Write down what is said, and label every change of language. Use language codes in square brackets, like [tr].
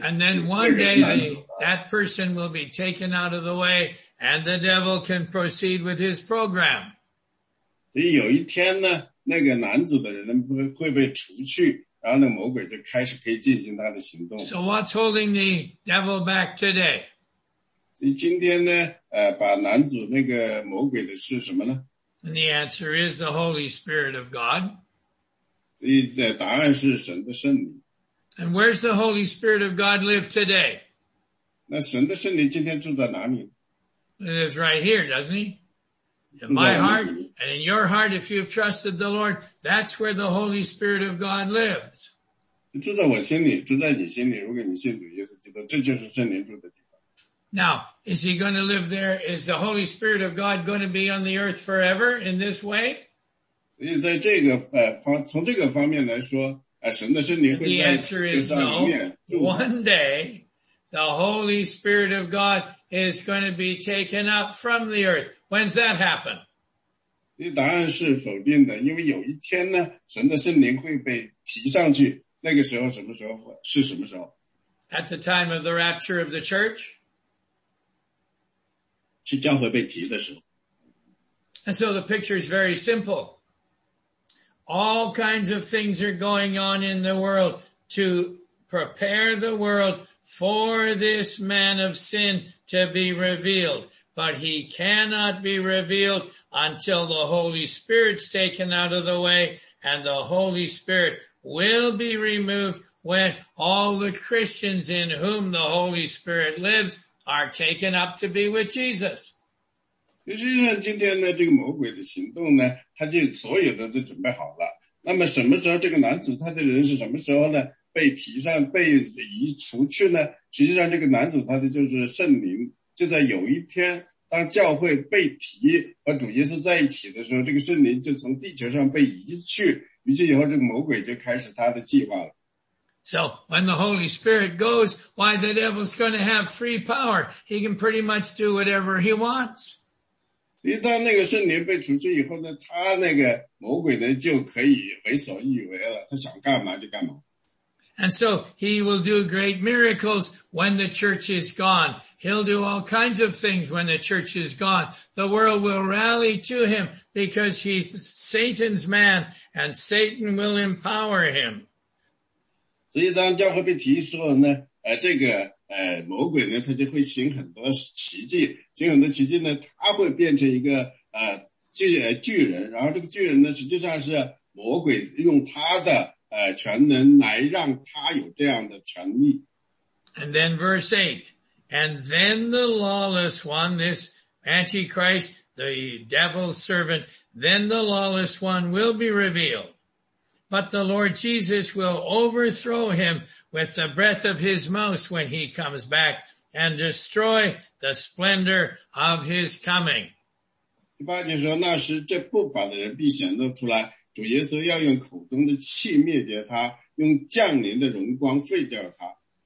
[en] And then one day that person will be taken out of the way and the devil can proceed with his program. [zh] 所以有一天呢，那个拦阻的人会被除去，然后那魔鬼就开始可以进行他的行动。 [en] So what's holding the devil back today? [zh] 今天呢把拦阻那个魔鬼的是什么呢？ [en] And the answer is the Holy Spirit of God. [zh] 所以答案是神的圣灵。 [en] And where's the Holy Spirit of God live today? [zh] 那神的圣灵今天住在哪里？ [en] It is right here, doesn't he? In my heart, and in your heart, if you've trusted the Lord, that's where the Holy Spirit of God lives. [zh] 住在我心里，住在你心里，如果你信主耶稣基督，这就是圣灵住的地方。 [en] Now, is he going to live there? Is the Holy Spirit of God going to be on the earth forever in this way? [zh] 所以在这个从这个方面来说神的圣灵会在这上面。 [en] The answer is no. One day, the Holy Spirit of God is going to be taken up from the earth. When's that happen? [zh] 这答案是否定的，因为有一天呢，神的圣灵会被提上去。那个时候什么时候？是什么时候 [en] ？At the time of the rapture of the church. [zh] 是教会被提的时候。 [en] And so the picture is very simple. All kinds of things are going on in the world to prepare the world for this man of sin to be revealed. But he cannot be revealed until the Holy Spirit's taken out of the way, and the Holy Spirit will be removed when all the Christians in whom the Holy Spirit lives are taken up to be with Jesus. [zh] 实际上今天呢这个魔鬼的行动呢他就所有的都准备好了。那么什么时候这个男主他的人是什么时候呢被提上被移除去呢实际上这个男主他的就是圣灵。就在有一天当教会被提和主耶稣在一起的时候这个圣灵就从地球上被移去于是以后这个魔鬼就开始他的计划了。 [en] So, when the Holy Spirit goes, why the devil's going to have free power? He can pretty much do whatever he wants. [zh] 所以当那个圣灵被除去以后呢他那个魔鬼呢就可以为所欲为了他想干嘛就干嘛。 [en] And so he will do great miracles when the church is gone. He'll do all kinds of things when the church is gone. The world will rally to him because he's Satan's man and Satan will empower him. [zh] 所以当教会被提说呢这个魔鬼呢他就会行很多奇迹。行很多奇迹呢他会变成一个巨人。然后这个巨人呢实际上是魔鬼用他的全能来让他有这样的权利。 [en] And then verse 8. And then the lawless one, this Antichrist, the devil's servant, then the lawless one will be revealed. But the Lord Jesus will overthrow him with the breath of his mouth when he comes back and destroy the splendor of his coming. [zh] 第八节说那时这不法的人必显露出来主耶稣要用口中的气灭绝他，用降临的荣光废掉他。